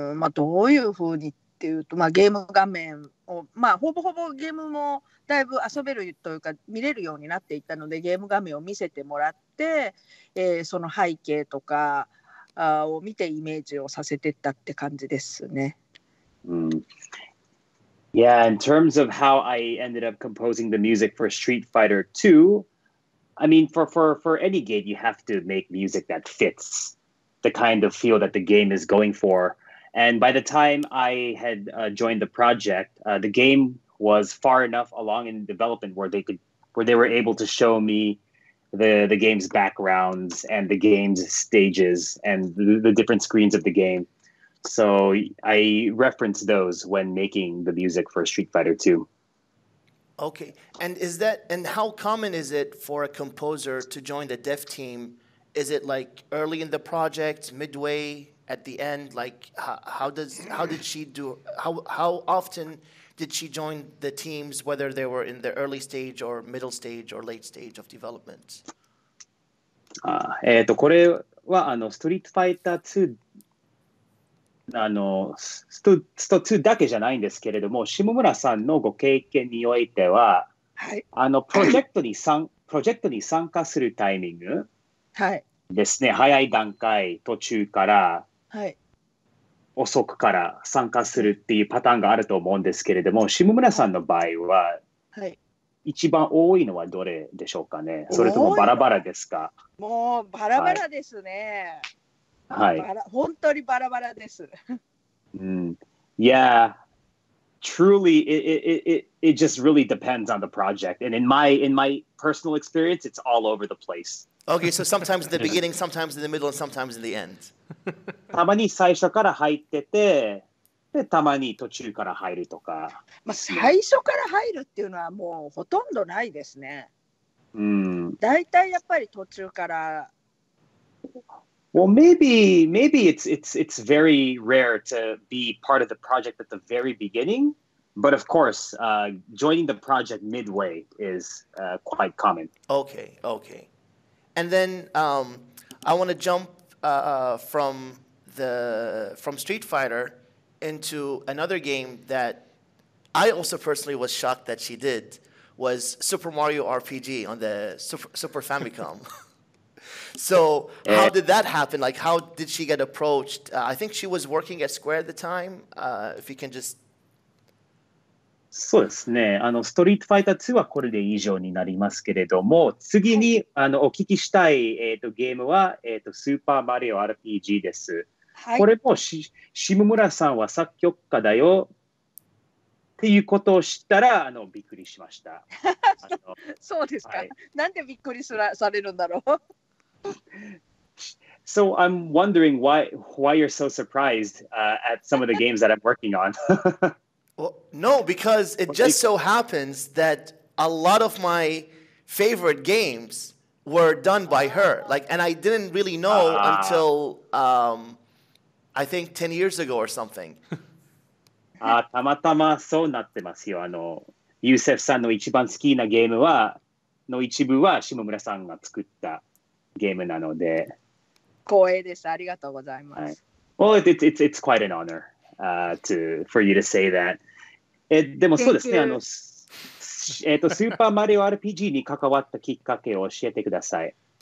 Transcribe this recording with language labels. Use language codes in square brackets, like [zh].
[ja] どういうふうにっていうと、まあ、ゲーム画面を、まあ、ほぼほぼゲームもだいぶ遊べるというか見れるようになっていったので、ゲーム画面を見せてもらって、その背景とかを見てイメージをさせてったって感じですね。 [en] Yeah, in terms of how I ended up composing the music for Street Fighter 2, I mean, for any game, you have to make music that fits the kind of feel that the game is going for. And by the time I had joined the project, the game was far enough along in development where they were able to show me the game's backgrounds and the game's stages and the different screens of the game. So I referenced those when making the music for Street Fighter 2. Okay. And is that, and how common is it for a composer to join the dev team? Is it like early in the project, midway, at the end? Like, how often did she join the teams, whether they were in the early stage or middle stage or late stage of development? [ja] これはストリートファイター2、スト2だけじゃないんですけれども、下村さんのご経験においては、プロジェクトに参加するタイミング、はい。ですね、早い段階途中から、はい、遅くから参加するっていうパターンがあると思うんですけれども、下村さんの場合は、はい、一番多いのはどれでしょうかね。それともバラバラですか。もうバラバラですね。はい。本当にバラバラです。 [en] Yeah, truly, it just really depends on the project. And in my personal experience, it's all over the place. Okay, so sometimes in the beginning, sometimes in the middle, and sometimes in the end. [ja] たまに最初から入ってて、でたまに途中から入るとか。まあ、最初から入るっていうのはもうほとんどないですね。だいたいやっぱり途中から。 [en] Well, maybe it's very rare to be part of the project at the very beginning. But of course, joining the project midway is quite common. Okay, okay. And then I want to jump from Street Fighter into another game that I also personally was shocked that she did, was Super Mario RPG on the Super Famicom. So how did that happen? Like, how did she get approached? I think she was working at Square at the time. If you can just... [ja] そうですね。あの、ストリートファイター2はこれで以上になりますけれども、次にあのお聞きしたい、ゲームは、スーパーマリオ RPG です。はい、これも下村さんは作曲家だよっていうことを知ったら、あのびっくりしました。そうですか。はい、なんでびっくりされるんだろう。 [en] So I'm wondering why you're so surprised at some of the games that I'm working on. Well, no, because it just so happens that a lot of my favorite games were done by her. Like, and I didn't really know until I think 10 years ago or something. [ja] たまたまそうなってますよ。あの、ユセフさんの一番好きなゲームはの一部は下村さんが作ったゲームなので。光栄です。ありがとうございます。 [en] はい、well, it's quite an honor for you to say that. [ja] でもそうですね、あの、スーパーマリオ RPG に関わったきっかけを教えてください。